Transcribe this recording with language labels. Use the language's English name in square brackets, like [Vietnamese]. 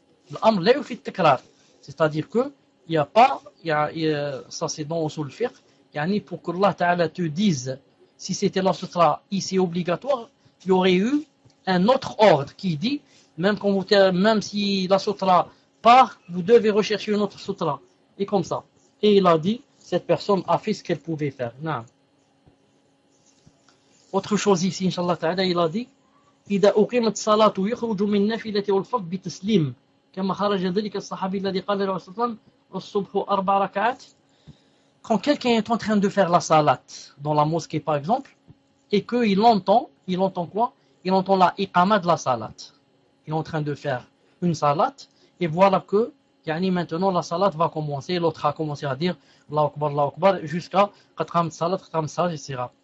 [Arabic] L'amru la yufid at-takrar. [French] C'est-à-dire que il y a pas y a, y a, ça c'est dans au solfège, yani pour que Allah Ta'ala te dise si c'était la sutra ici obligatoire, il y aurait eu un autre ordre qui dit même si la sutra part, vous devez rechercher une autre sutra. Et comme ça. Et il a dit, cette personne a fait ce qu'elle pouvait faire. Non. Autre chose ici, inshallah ta'ala, il a dit, [Arabic] إذا أقيمت صلاة يخرج من نافلة والفرض بتسليم كما خرج ذلك الصحابي الذي قال له صلى الله عليه وسلم الصبح أربع ركعات. [French] Quand quelqu'un est en train de faire la salat dans la mosquée par exemple, et qu'il entend quoi? Il entend la iqama de la salat. Il est en train de faire une salat. Et voilà que, yani maintenant, la salat va commencer, l'autre a commencé à dire Allahu Akbar, Allahu Akbar, jusqu'à Qatram Salat, Qatram Salat, etc.